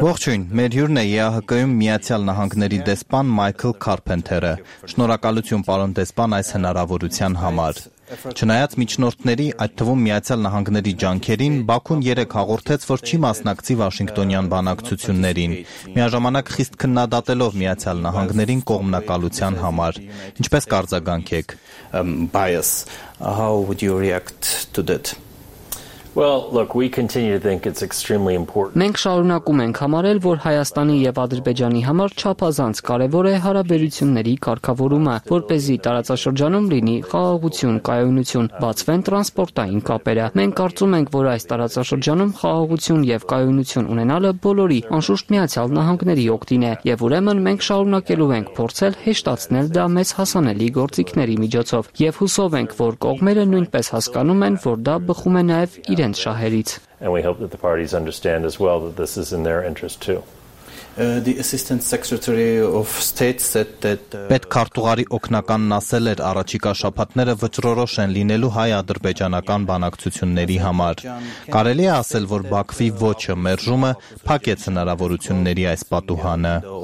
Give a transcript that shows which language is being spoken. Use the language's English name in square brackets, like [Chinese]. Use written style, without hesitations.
[Armenian] Ողջույն, մեր հյուրն է ԵԱՀԿ-ում Միացյալ Նահանգների դեսպան Michael Carpenter-ը։ Շնորհակալություն, պարոն դեսպան, այս հնարավորության համար։ Չնայած միջնորդների, այդ թվում Միացյալ Նահանգների ջանքերին, Բաքուն երեք հաղորդեց, որ չի մասնակցի Վաշինգտոնյան բանակցություններին, միաժամանակ խիստ քննադատելով Միացյալ Նահանգներին կողմնակալության համար։ Ինչպես կարձագանքեք? [English] Bias. How would you react to that? Well, look, we continue to think it's extremely important. [Armenian] Մենք շարունակում ենք համարել, որ Հայաստանի եւ Ադրբեջանի համար չափազանց կարեւոր է հարաբերությունների կարգավորումը, որպեսզի տարածաշրջանում լինի խաղաղություն, կայունություն, բացվեն տրանսպորտային կապերը։ Մենք կարծում ենք, որ այս տարածաշրջանում խաղաղություն եւ կայունություն ունենալը բոլորի, անշուշտ Միացյալ Նահանգների օգտին է, եւ ուրեմն մենք շարունակելու ենք փորձել հեշտացնել դա մեզ հասանելի գործիքների միջոցով, եւ հուսով ենք, որ կողմերը նույնպես հասկանում են, որ դա բխում է նաեւ իրենց շահերից. [English] And we hope that the parties understand as well that this is in their interest too. The assistant secretary of state said that [Armenian] Պետ Քարտուղարի օկնականն ասել էր, առաջիկա շաբաթները վճռորոշ են լինելու հայ-ադրբեջանական բանակցությունների համար։ Կարելի է ասել, որ Բաքվի ոչը մերժումը փակեց հնարավորությունների այս պատուհանը։